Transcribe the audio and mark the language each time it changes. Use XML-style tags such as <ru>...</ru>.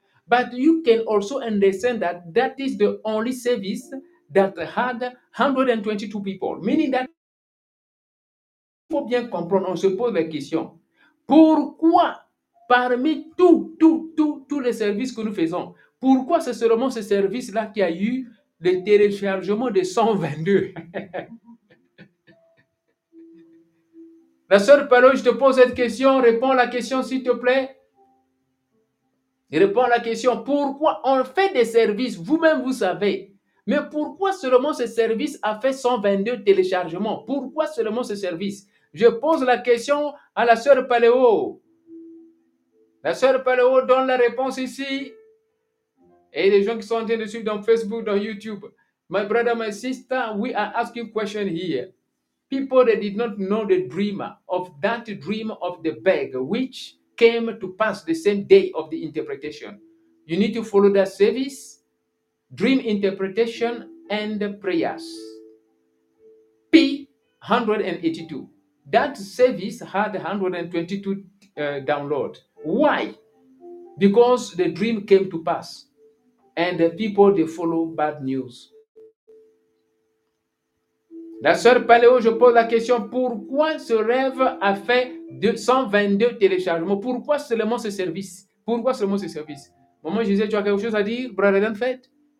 <en>But you can also understand that that is the only service that had 122 people. Meaning that</en> <fr>il faut bien comprendre, on se pose la question. Pourquoi parmi tous les services que nous faisons, pourquoi c'est seulement ce service-là qui a eu le téléchargement de 122? La sœur Palau, je te pose cette question, réponds à la question s'il te plaît. Réponds à la question, pourquoi on fait des services, vous-même vous savez, mais pourquoi seulement ce service a fait 122 téléchargements? Pourquoi seulement ce service? Je pose la question à la sœur Palau. La sœur Palau donne la réponse ici. Et les gens qui sont en train de suivre dans Facebook, dans YouTube.</fr> <en>My brother, my sister, we are asking question here. People that did not know the dreamer of that dream of the bag, which came to pass the same day of the interpretation. You need to follow that service, dream interpretation and prayers. P-182. That service had 122 downloads. Why? Because the dream came to pass and the people, they follow bad news.</en> <fr>La sœur Paléo, je pose la question, pourquoi ce rêve a fait 122 téléchargements? Pourquoi seulement ce service? Pourquoi seulement ce service? Maman, je disais, tu as quelque chose à dire, brother, en fait?</fr>